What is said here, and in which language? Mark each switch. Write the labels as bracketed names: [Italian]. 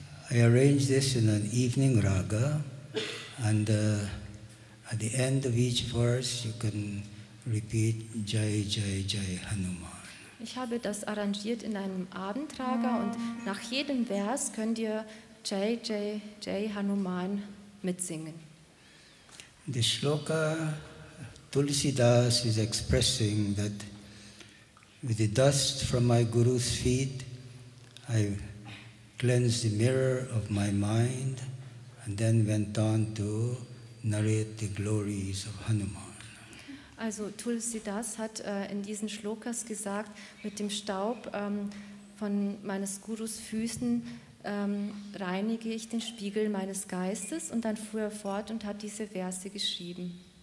[English] I arrange this in an evening raga, and at the end of each verse you can repeat Jai Jai Jai Hanuman. [German] Ich habe das arrangiert in einem Abendraga und nach jedem Vers könnt ihr Jai Jai Jai Hanuman mitsingen. [English] The shloka Tulsidas is expressing that with the dust from my guru's feet I cleansed the mirror of my mind and then went on to narrate the glories of Hanuman. [German] Also Tulsidas hat in diesen Shlokas gesagt, mit dem Staub von meines Gurus Füßen reinige ich den Spiegel meines Geistes, und dann fuhr er fort und hat diese Verse geschrieben.